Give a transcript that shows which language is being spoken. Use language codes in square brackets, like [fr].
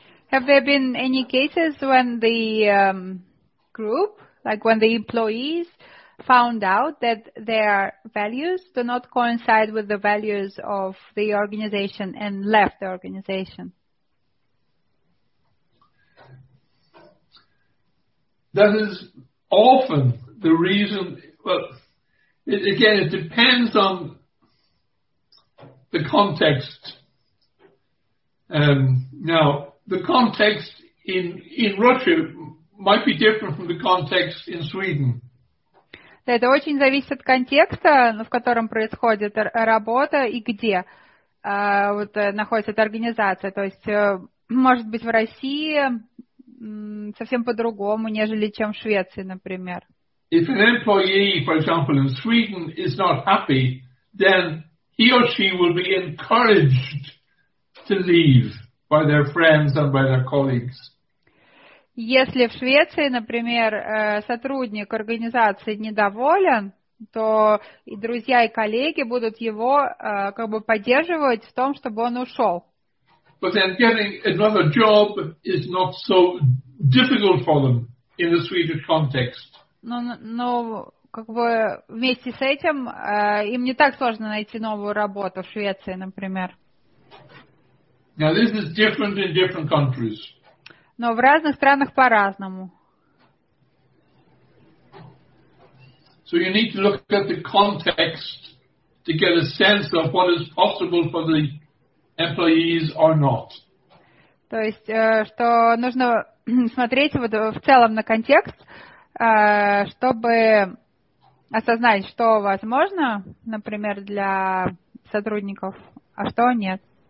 [en] Have there been any cases when the group, like when the employees found out that their values do not coincide with the values of the organization and left the organization. That is often the reason, it depends on the context. Now, the context in Russia might be different from the context in Sweden. [ru] Это очень зависит от контекста, в котором происходит работа и где находится эта организация. То есть, может быть, в России совсем по-другому, нежели чем в Швеции, например. [en] If an employee, for example, in Sweden is not happy, then he or she will be encouraged to leave by their friends and by their colleagues. [ru] Если в Швеции, например, сотрудник организации недоволен, то и друзья, и коллеги будут его как бы поддерживать в том, чтобы он ушел. [en] But then getting another job is not so difficult for them in the Swedish context. [ru] Но как бы вместе с этим им не так сложно найти новую работу в Швеции, например. [en] Now this is different in different countries. [ru] Но в разных странах по-разному. [en] So you need to look at the context to get a sense of what is possible for the employees or not. [ru] То есть, что нужно смотреть вот в целом на контекст, чтобы осознать, что возможно, например, для сотрудников, а что нет.